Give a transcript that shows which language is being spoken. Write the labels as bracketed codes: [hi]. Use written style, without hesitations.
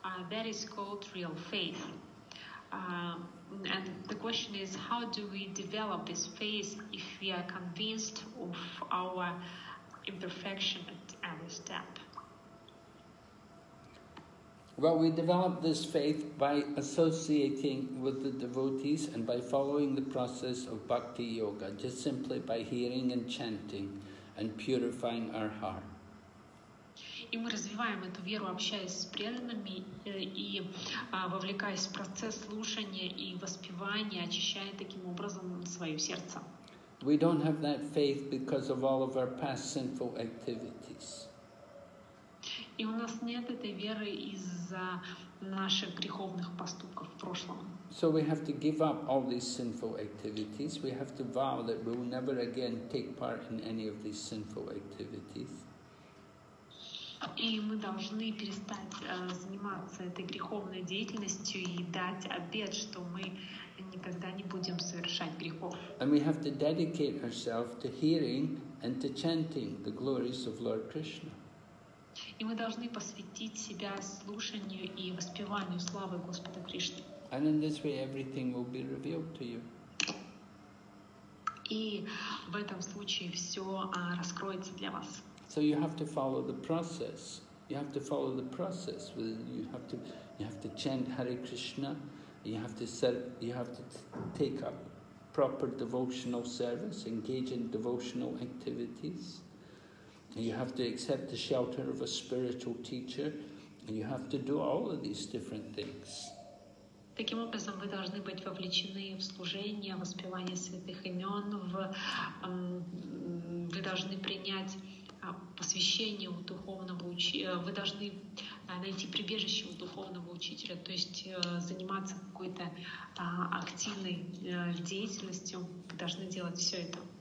[en] That is called real faith. And the question is, how do we develop this faith if we are convinced of our imperfection at every step? Well, we develop this faith by associating with the devotees and by following the process of bhakti yoga, just simply by hearing and chanting and purifying our heart. [ru] И мы развиваем эту веру, общаясь с преданными и вовлекаясь в процесс слушания и воспевания, очищая таким образом свое сердце. [en] We don't have that faith because of all of our past sinful activities. [ru] И у нас нет этой веры из-за наших греховных поступков в прошлом. [en] So we have to give up all these sinful activities. We have to vow that we will never again take part in any of these sinful activities. [ru] И мы должны перестать заниматься этой греховной деятельностью и дать обет, что мы никогда не будем совершать грехов. [en] And we have to dedicate ourselves to hearing and to chanting the glories of Lord Krishna. [ru] И мы должны посвятить себя слушанию и воспеванию славы Господа Кришны. [en] And in this way everything will be revealed to you. [ru] И в этом случае все раскроется для вас. [en] So you have to follow the process. You have to follow the process. You have to chant Hare Krishna. You have to take up proper devotional service, engage in devotional activities. And you have to accept the shelter of a spiritual teacher. And you have to do all of these different things. [ru] Таким образом, вы должны быть вовлечены в служение, в воспевание святых имен. Вы должны принять посвящение у духовного учителя, вы должны найти прибежище у духовного учителя, то есть заниматься какой-то активной деятельностью, вы должны делать все это.